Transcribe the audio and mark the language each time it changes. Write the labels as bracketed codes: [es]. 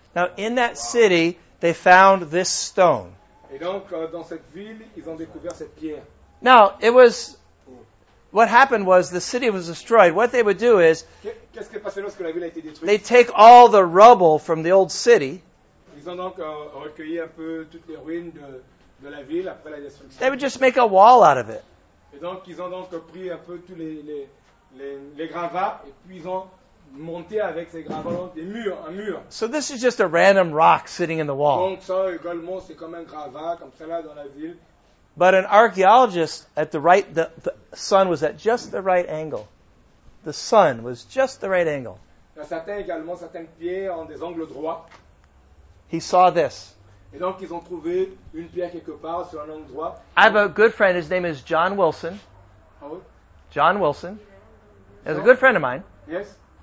[en] Now, in that city, they found this stone. [fr] Et donc, dans cette ville, ils ont découvert cette pierre. [en] Now, it was, what happened was the city was destroyed. What they would do is, [fr] qu'est-ce qui est passé lorsque la ville a été détruite? [en] They'd take all the rubble from the old city. [fr] Ils ont donc recueilli un peu toutes les ruines de la ville après la destruction. [en] They would just make a wall out of it. [fr] Et donc, ils ont donc pris un peu tous les gravats et puis ils ont monté avec ces gravats des murs, un mur. [en] So this is just a random rock sitting in the wall. [fr] Donc ça également c'est comme un gravat comme ça là dans la ville. [en] But an archaeologist at the right, the sun was at just the right angle. The sun was just the right angle. [fr] Certains également, certains pierres ont des angles droits. [en] He saw this. [fr] Et donc ils ont trouvé une pierre quelque part sur un angle droit. [en] I have a good friend, his name is John Wilson. [fr] Oh oui. [en] John Wilson. He's a good friend of mine. Yes.